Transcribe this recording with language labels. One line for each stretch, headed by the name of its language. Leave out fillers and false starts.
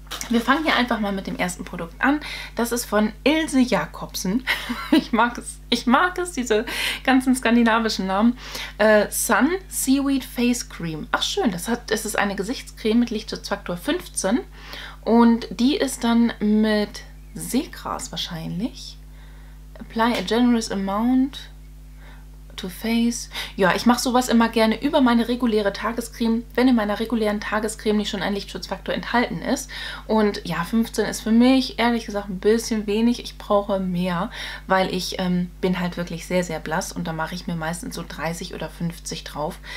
German: Wir fangen hier einfach mal mit dem ersten Produkt an. Das ist von Ilse Jakobsen. Ich mag es, diese ganzen skandinavischen Namen. Sun Seaweed Face Cream. Ach schön, es ist eine Gesichtscreme mit Lichtschutzfaktor 15. Und die ist dann mit Seegras wahrscheinlich.
English: Apply a generous amount to face.
German: Ja, ich mache sowas immer gerne über meine reguläre Tagescreme, wenn in meiner regulären Tagescreme nicht schon ein Lichtschutzfaktor enthalten ist. Und ja, 15 ist für mich ehrlich gesagt ein bisschen wenig. Ich brauche mehr, weil ich bin halt wirklich sehr, sehr blass und da mache ich mir meistens so 30 oder 50 drauf.